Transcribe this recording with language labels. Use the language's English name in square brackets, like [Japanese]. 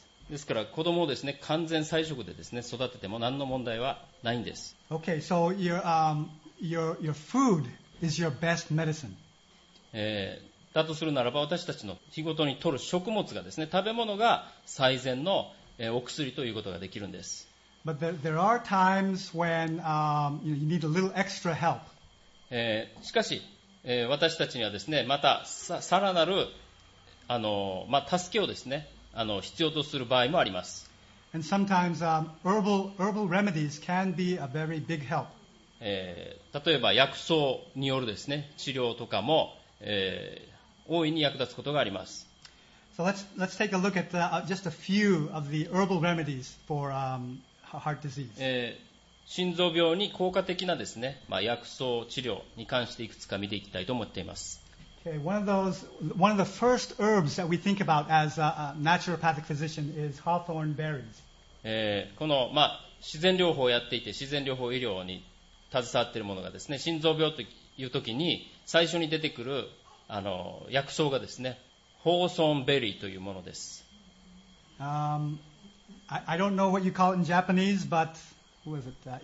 [Japanese] ですから子供をですね完全菜食でですね育てても何の問題はないんです。 [English] Okay, so your food is your best medicine. [Japanese] だとするならば私たちの日ごとに摂る食物がですね食べ物が最善の、お薬ということができるんです。 [English] But there are times when you need a little extra help. [Japanese] しかし、私たちにはですね、またさらなる助けをですね、必要とする場合もあります。 [English] And sometimes herbal remedies can be a very big help. [Japanese] 例えば薬草によるですね、治療とかも、大いに役立つことがあります。 [English] So let's take a look at just a few of the herbal remedies for Heart disease. [Japanese] 心臓病に効果的なですね、まあ、薬草治療に関していくつか見ていきたいと思っています。 [English] Okay, one of the first herbs that we think about as a naturopathic physician is hawthorn berries. [Japanese] この、まあ、自然療法をやっていて自然療法医療に携わっているものがですね、心臓病というときに最初に出てくる薬草がですね、ホーソンベリーというものです。 [English] I don't know what you call it in Japanese, but who is it?